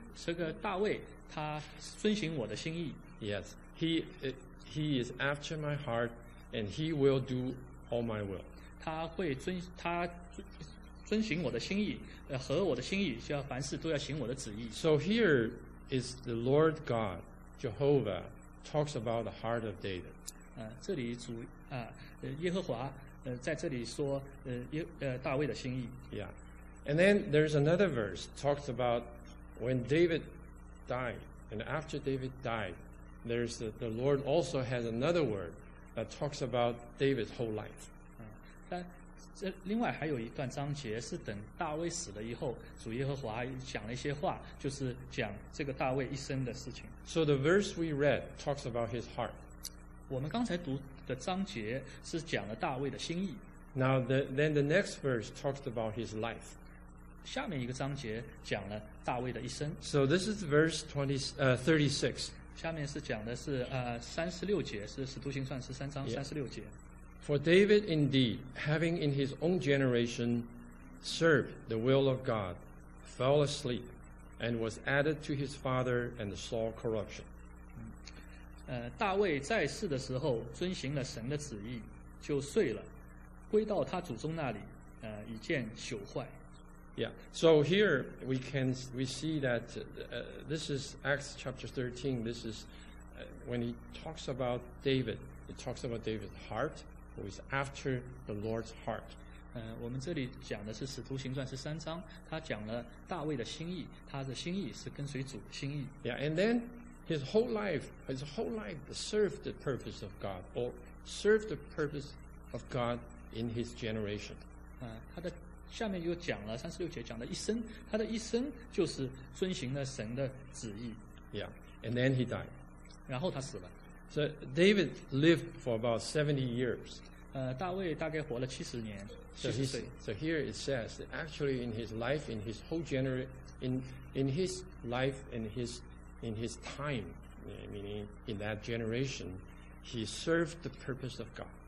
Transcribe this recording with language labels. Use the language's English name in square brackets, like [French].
[Chinese] 这个大卫，他遵循我的心意。 [English] Yes, he is after my heart, and he will do all my will. [Chinese] 他遵循我的心意，合我的心意，就要凡事都要行我的旨意。 [English] So here is the Lord God, Jehovah, talks about the heart of David. [Chinese] 这里主啊，耶和华。在这里说大卫的心意。 [English] Yeah. And then there's another verse talks about when David died, and after David died, there's the Lord also has another word that talks about David's whole life. [Chinese] 但这另外还有一段章节是等大卫死了以后，主耶和华讲了一些话，就是讲这个大卫一生的事情。 [English] So the verse we read talks about his heart. [Chinese] 我们刚才读的章节是讲了大卫的心意。 [English] Now then the next verse talks about his life. [Chinese] 下面一个章节讲了大卫的一生。 [English] So this is verse 36. [Chinese] 下面是讲的是36节，是使徒行传十三章三十六节。 [English] For David indeed, having in his own generation served the will of God, fell asleep, and was added to his father and saw corruption. [Chinese] 大卫在世的时候遵行了神的旨意，就睡了，归到他祖宗那里，已见朽坏。 [English] Yeah. So here we see that this is Acts chapter 13. This is when he talks about David. It talks about David's heart, who is after the Lord's heart. [Chinese] 我们这里讲的是《使徒行传》十三章，他讲了大卫的心意，他的心意是跟随主的心意。 [English] Yeah. And then. His whole life served the purpose of God, or served the purpose of God in his generation. [Chinese] 他的下面又讲了三十六节，讲的一生，他的一生就是遵循了神的旨意。 [English] Yeah, and then he died. [Chinese] 然后他死了。 [English] So David lived for about 70 years. [Chinese] 大卫大概活了七十年，七十岁。 [English] So here it says that actually in his life, in his whole generation, in his life, in his time, meaning in that generation, he served the purpose of God.